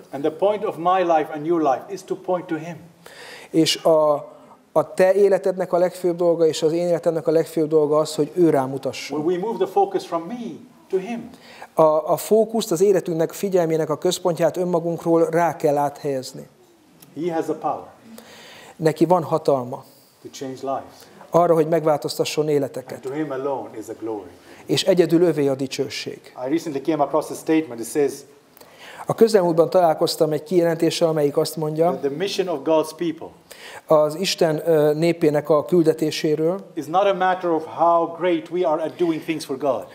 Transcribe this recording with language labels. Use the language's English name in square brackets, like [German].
[English] And the point of my life and your life is to point to him. [Hungarian] És a te életednek a legfőbb dolga és az én életemnek a legfőbb dolga az, hogy ő rámutasson. [English] When we move the focus from me to him. [Hungarian] A fókuszt, az életünknek figyelmének a központját önmagunkról rá kell áthelyezni. [English] He has the power. [Hungarian] Neki van hatalma. [English] To change lives. [Hungarian] Arra, hogy megváltoztasson életeket. [English] And to him alone is the glory. [Hungarian] És egyedül övé a dicsőség. [English] I recently came across a statement that says, [Hungarian] a közelmúltban találkoztam egy kijelentéssel, amelyik azt mondja, [English] the mission of God's people, [Hungarian] az Isten népének a küldetéséről. [English] It's not a matter of how great we are at doing things for God.